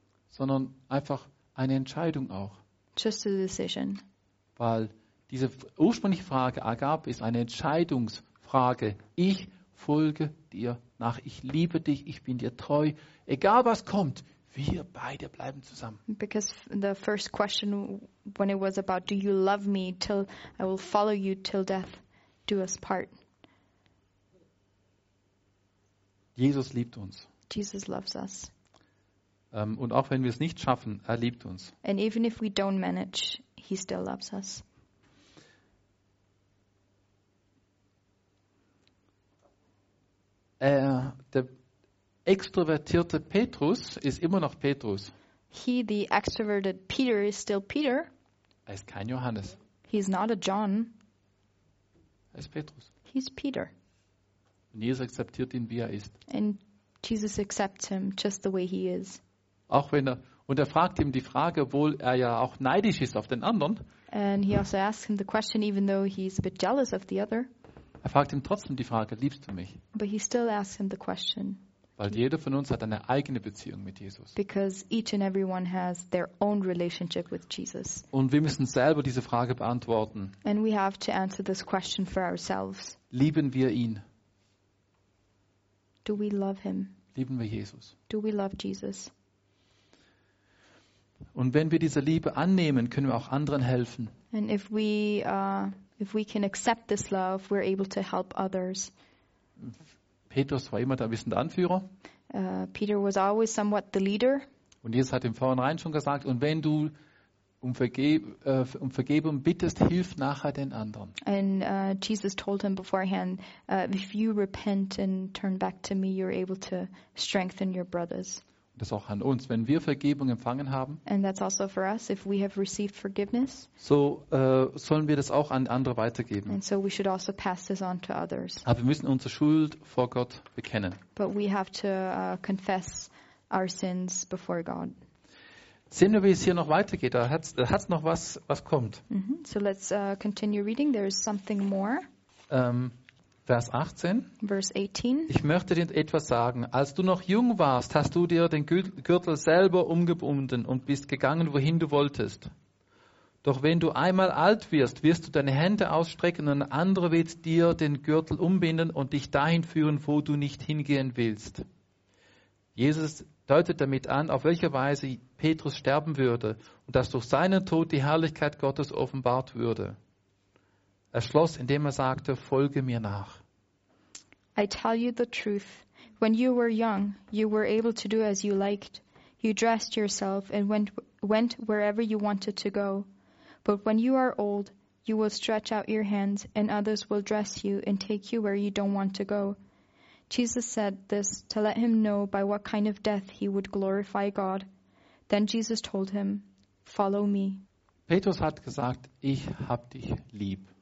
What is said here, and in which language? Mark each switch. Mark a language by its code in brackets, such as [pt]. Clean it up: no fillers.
[de] Sondern einfach eine Entscheidung auch. [en] Just a decision. [de] Weil diese ursprüngliche Frage Agape ist eine Entscheidungsfrage. Ich folge dir nach. Ich liebe dich. Ich bin dir treu. Egal was kommt, wir beide bleiben zusammen. [en] Because the first question, when it was about, do you love me till I will follow you till death do us part. [de] Jesus liebt uns. [en] Jesus loves us. [de] Und auch wenn wir es nicht schaffen, er liebt uns. [en] And even if we don't manage, he still loves us. [de] Der extrovertierte Petrus ist immer noch Petrus. [en] He, the extroverted Peter, is still Peter. [de] Er ist kein Johannes. [en] He is not a John. [de] Er ist Petrus. [en] He's Peter. [de] Und Jesus akzeptiert ihn, wie er ist. [en] And Jesus accepts him just the way he is. [de] Auch wenn er fragt ihm die Frage, obwohl er ja auch neidisch ist auf den anderen. [en] And he also asks him the question, even though he's a bit jealous of the other. [de] Er fragt ihm trotzdem die Frage, liebst du mich? [en] But he still asks him the question. [de] Weil jeder von uns hat eine eigene Beziehung mit Jesus. [en] Because each and everyone has their own relationship with Jesus. [de] Und wir müssen selber diese Frage beantworten. [en] And we have to answer this question for ourselves. [de] Lieben wir ihn? [en] Do we love him? [de] Lieben wir Jesus? [en] Do we love Jesus? [de] Und wenn wir diese Liebe annehmen, können wir auch anderen helfen. [en] And if we can accept this love, we're able to help others. [de] Petrus war immer der wissende Anführer. [en] Peter was always somewhat the leader. [de] Und Jesus hat ihm vornherein schon gesagt, und wenn du um Vergebung bittest, hilf nachher den anderen. [en] And Jesus told him beforehand, if you repent and turn back to me, you're able to strengthen your brothers. [de] Das ist auch an uns, wenn wir Vergebung empfangen haben. [en] And that's also for us, if we have received forgiveness. [de] So sollen wir das auch an andere weitergeben. [en] And so we should also pass this on to others. [de] Aber wir müssen unsere Schuld vor Gott bekennen. [en] But we have to confess our sins before God. [de] Sehen wir, wie es hier noch weitergeht. Da hat's noch was kommt. Mm-hmm. [en] So let's continue reading. There is something more. [de] Vers 18. [en] Verse 18. [de] Ich möchte dir etwas sagen. Als du noch jung warst, hast du dir den Gürtel selber umgebunden und bist gegangen, wohin du wolltest. Doch wenn du einmal alt wirst, wirst du deine Hände ausstrecken und ein anderer wird dir den Gürtel umbinden und dich dahin führen, wo du nicht hingehen willst. Jesus deutet damit an, auf welche Weise Petrus sterben würde und dass durch seinen Tod die Herrlichkeit Gottes offenbart würde. Er schloss, indem er sagte, folge mir nach. [en] I tell you the truth. When you were young, you were able to do as you liked. You dressed yourself and went wherever you wanted to go. But when you are old, you will stretch out your hands and others will dress you and take you where you don't want to go. Jesus said this to let him know by what kind of death he would glorify God. Then Jesus told him, follow me. [de] Petrus hat gesagt, ich hab dich lieb.